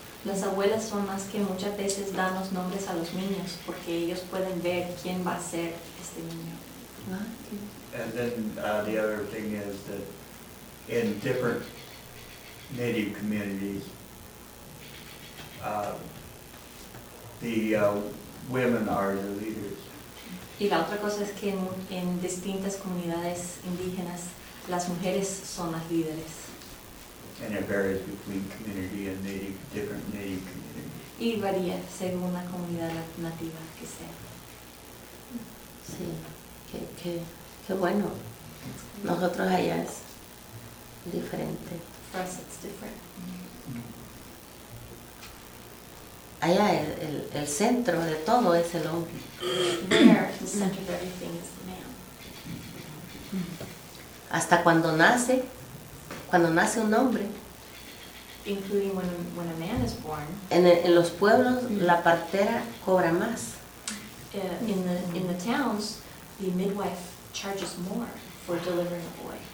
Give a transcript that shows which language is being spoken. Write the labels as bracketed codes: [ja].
[es] Las abuelas son las que muchas veces dan los nombres a los niños porque ellos pueden ver quién va a ser este niño. [en] And then the other thing is that in different Native communities, the women are the leaders. [es] Y la otra cosa es que en distintas comunidades indígenas las mujeres son las líderes. [en] And it varies between community and native, different native communities. [es] Y varía según la comunidad nativa que sea. Sí, qué bueno. Nosotros allá es diferente. [en] For us it's different. [es] Allá el centro de todo es el hombre. [en] There, the center of everything is the man. [es] Hasta cuando nace un hombre. [en] Including when a man is born. [es] En los pueblos, mm-hmm. la partera cobra más. [en] In the towns, the midwife charges more for delivering a boy.